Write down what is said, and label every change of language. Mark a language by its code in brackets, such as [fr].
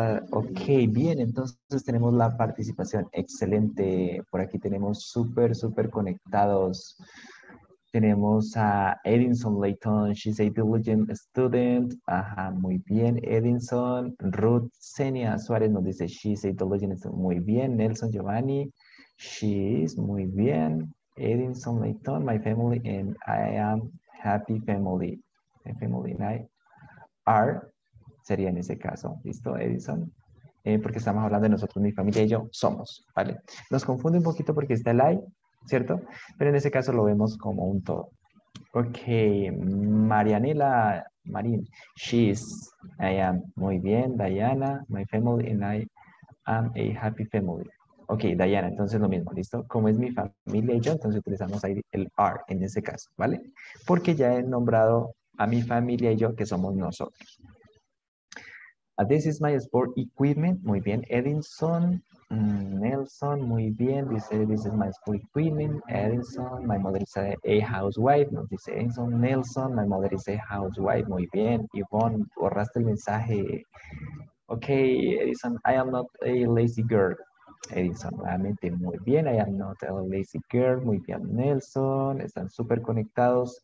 [es] Ok, bien, entonces tenemos la participación. Excelente. Por aquí tenemos súper, súper conectados. Tenemos a Edinson Layton. [en] She's a diligent student. [es] Ajá, muy bien, Edinson. Ruth Senia Suárez nos dice, [en] she's a diligent student. [es] Muy bien, Nelson Giovanni. She's, muy bien. [en] Edinson Layton, my family and I am happy family. My family and I are. [es] Sería en ese caso, ¿listo, Edison? Porque estamos hablando de nosotros, mi familia y yo somos, ¿vale? Nos confunde un poquito porque está el I, ¿cierto? Pero en ese caso lo vemos como un todo. [en] Ok, Marianela, Marín, she's, I am, [es] muy bien, [en] Diana, my family and I am a happy family. [es] Ok, Diana, entonces lo mismo, ¿listo? Como es mi familia y yo, entonces utilizamos ahí el are en ese caso, ¿vale? Porque ya he nombrado a mi familia y yo que somos nosotros. [en] This is my sport equipment. [es] Muy bien, Edinson. Nelson, muy bien. [en] Dice, this is my sport equipment. Edinson, my mother is a housewife. [es] Nos dice [en] Edinson. Nelson, my mother is a housewife. [es] Muy bien. Yvonne, borraste el mensaje. [en] Ok, Edinson, I am not a lazy girl. Edinson, [es] realmente muy bien. [en] I am not a lazy girl. [es] Muy bien, Nelson. Están súper conectados.